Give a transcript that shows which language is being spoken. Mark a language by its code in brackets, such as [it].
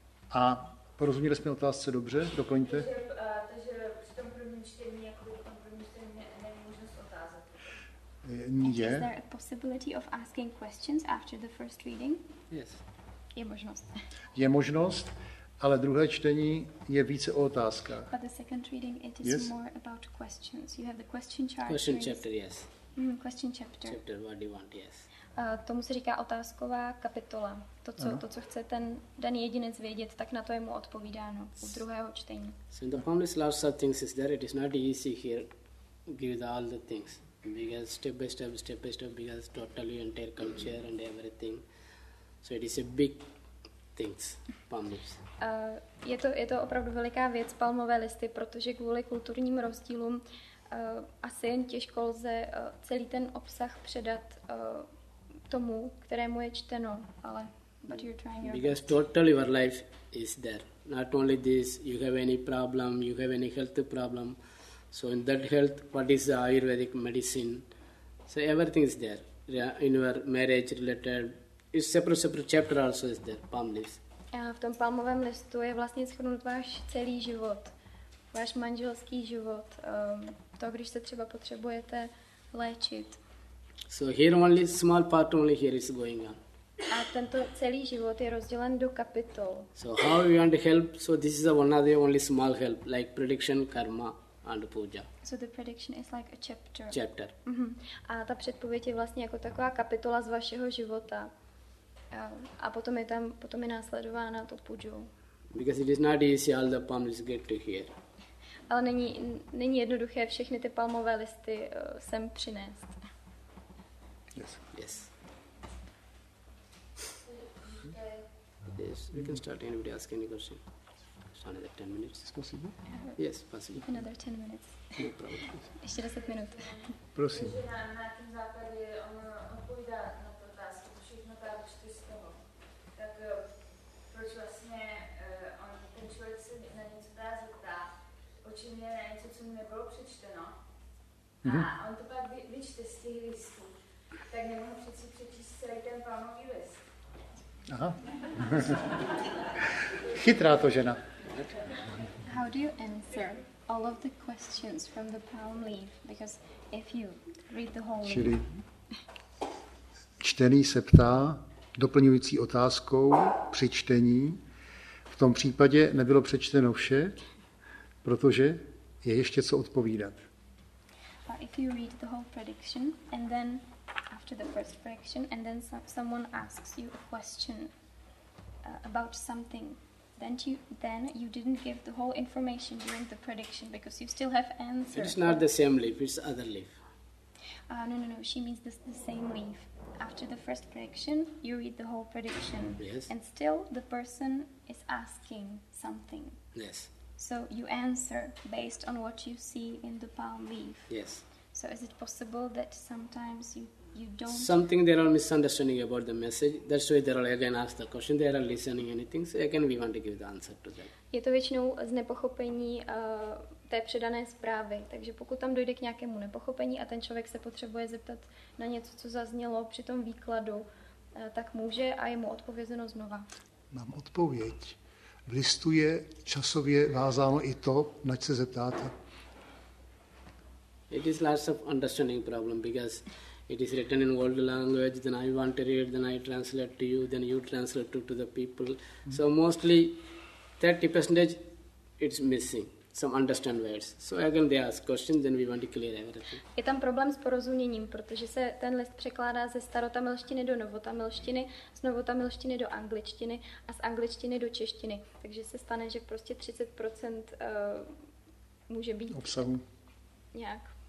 [cs] A porozuměli jsme otázce dobře, doplňte. Takže při tom prvním čtení, jako v tom prvním čtení, není možnost otázat. Je. [en] Is there a possibility of asking questions after the first reading? Yes. [cs] Je možnost. Je možnost, ale druhé čtení je více o otázkách. [en] But the second reading, it is yes? more about questions. You have the question chapter. Question chapter, yes. Question chapter. Chapter, what do you want, yes. [cs] Tomu se říká otázková kapitola. To, co chce ten daný jedinec vědět, tak na to je mu odpovídáno u druhého čtení. [en] So in the palm leaf, lots of things is there. It is not easy here, give all the things. Because step by step, because totally entire culture and everything. So it is a big things, palm leaves. [cs] Je to opravdu veliká věc, palmové listy, protože kvůli kulturním rozdílům asi jen těžko lze celý ten obsah předat tomu, kterému je čteno, ale [en] but you're trying your Because totally your life is there. Not only this, you have any problem, you have any health problem. So in that health, what is the Ayurvedic medicine? So everything is there. Yeah, in your marriage related, it's separate chapter also is there, palm leaves. [cs] A v tom palmovém listu je vlastně shrnut váš celý život, váš manželský život, to, když se třeba potřebujete léčit. [en] So here only small part only here is going on. [cs] A tento celý život je rozdělen do kapitol. [en] So how you want to help? So this is another only small help, like prediction, karma and puja. So the prediction is like a chapter. Chapter. Mm-hmm. [cs] A ta předpověď je vlastně jako taková kapitola z vašeho života. A potom je tam potom je následována to pujou. [en] Because it is not easy all the palm leaves get to here. [cs] Ale není jednoduché všechny ty palmové listy sem přinést. [en] Yes. Yes. Yes. We can start anybody ask any question. It's only 10 minutes. Is possible? Yes, possible. Another 10 minutes. No problem. [cs] Ještě 10 minut. Prosím. Na tím západě on odpovídá na to otázku. Tak proč vlastně ten člověk se na něco dá zeptat, o čem je něco, co mu nebylo přečteno, a on to pak vyčte z těch listů, tak nemohu přeci přečíst celý ten palmový list. Aha. Chytrá to žena. [en] How do you answer all of the questions from the palm leaf? Because if you read the whole leaf... [cs] Čili čtený se ptá doplňující otázkou při čtení. V tom případě nebylo přečteno vše, protože je ještě co odpovídat. [en] But if you read the whole prediction and then after the first prediction and then someone asks you a question about something, then you didn't give the whole information during the prediction because you still have answers. It's not the same leaf, it's other leaf. No, she means the same leaf. After the first prediction, you read the whole prediction. Yes. And still the person is asking something. Yes. So you answer based on what you see in the palm leaf. Yes. So is it possible that sometimes you don't... Something there are misunderstanding about the message. That's why they are again ask the question. They are listening anything. So again, we want to give the answer to them. [cs] Je to většinou z nepochopení té předané zprávy. Takže pokud tam dojde k nějakému nepochopení a ten člověk se potřebuje zeptat na něco, co zaznělo při tom výkladu, tak může a je mu odpovězeno znova. Mám odpověď. V listu je časově vázáno i to, nač se zeptáte. [en] It is lots of understanding problem because it is written in world language, then I want to read, then I translate to you, then you translate to the people. So mostly 30% it's missing. Some understand words. So again, they ask questions, then we want to clear everything. [cs] Je tam problém s porozuměním, protože se ten list překládá ze starotamilštiny do novotamilštiny, z novotamilštiny do angličtiny a z angličtiny do češtiny. Takže se stane, že prostě 30% může být obsahu. Nějak.